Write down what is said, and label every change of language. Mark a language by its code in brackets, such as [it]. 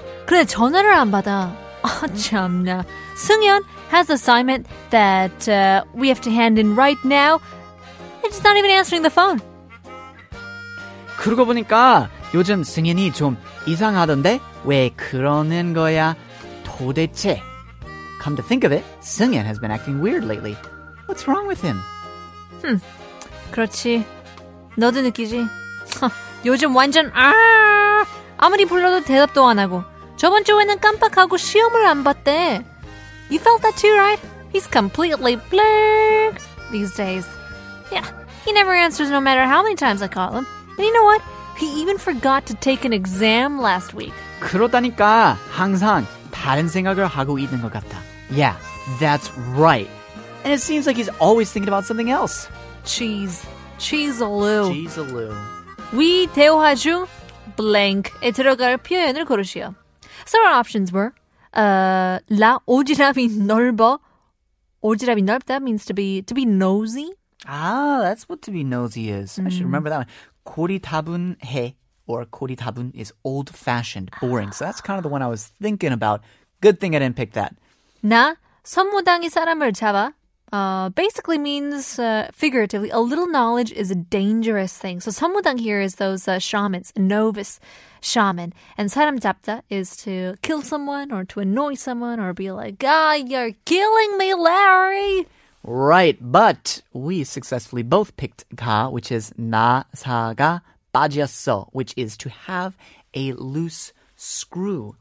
[ko] 그래, 전화를 안 받아. 아, 참나. [en] 승현 has assignment that we have to hand in right now. He's not even answering the phone. [ko] 그러고 보니까 요즘 승현이 좀 이상하던데? 왜 그러는 거야? 도대체? [en] Come to think of it, Seung-yeon has been acting weird lately. What's wrong with him? [ko] 그렇지. 너도 느끼지? 요즘 완전 아무리 불러도 대답도 안 하고. 저번 주에는 깜빡하고 시험을 안 봤대. [en] You felt that too, right? He's completely blank these days. Yeah, he never answers no matter how many times I call him. And you know what? He even forgot to take an exam last week. [ko] 그렇다니까 항상 다른 생각을 하고 있는 것 같아. [en] Yeah, that's right. And it seems like he's always thinking about something else. Cheese-a-loo. [ko] 위 대화 중 blank에 들어갈 표현을 고르시오. [en] So our options were [ko] 라 오지랖이 넓어. [en] 오지랖이 넓다 means to be nosy. Ah, that's what to be nosy is. I should remember that one. [ko] 고리 다분해. [en] Or 코리 다분 is old-fashioned, boring. So that's kind of the one I was thinking about. Good thing I didn't pick that. [ko] 나 선무당이 사람을 잡아. [en] Basically means, figuratively, a little knowledge is a dangerous thing. So 선무당 here is those shamans, novice shaman. And 사람 잡다 is to kill someone or to annoy someone or be like, ah, you're killing me, Larry! Right, but we successfully both picked 가, which is [ko] 나사가 빠졌어, [en] which is to have a loose screw.